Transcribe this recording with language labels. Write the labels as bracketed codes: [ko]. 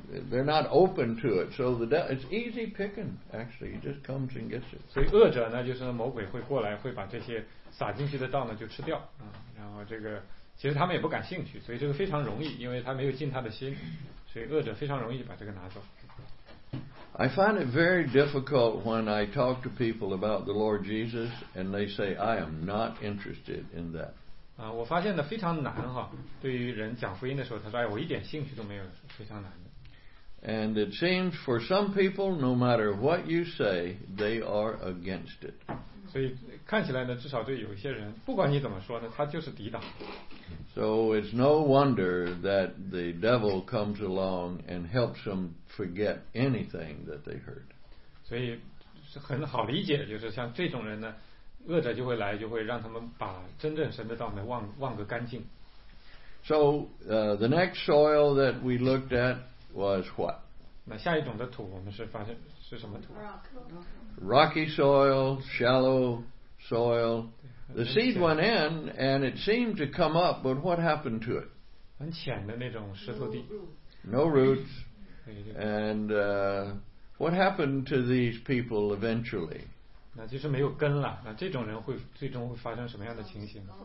[en] They're not open to it. So it's easy picking, actually. He just comes and gets it. [zh] 所以恶者呢，就是魔鬼会过来，会把这些撒进去的道呢就吃掉。然后这个其实他们也不感兴趣，所以这个非常容易，因为他没有进他的心，所以恶者非常容易把这个拿走。 [en] I find it very difficult when I talk to people about the Lord Jesus and they say, I am not interested in that. [zh] 我发现的非常难哈，对于人讲福音的时候，他说，哎，我一点兴趣都没有，非常难的。 [en] And it seems for some people, no matter what you say, they are against it. [zh] 所以看起来呢，至少对有些人，不管你怎么说呢，他就是抵挡。 [en] So it's no wonder that the devil comes along and helps them forget anything that they heard. [zh] 所以很好理解，就是像这种人呢，恶者就会来，就会让他们把真正神的道呢忘个干净。 [en] So the next soil that we looked at was what? [zh] 那下一种的土我们是发现是什么土？ [en] Rocky soil, shallow soil. The seed went in and it seemed to come up, but what happened to it? [zh] 很浅的那种石头地。 [en] No roots. And what happened to these people eventually? [zh] 那就是没有根了。那这种人会最终会发生什么样的情形？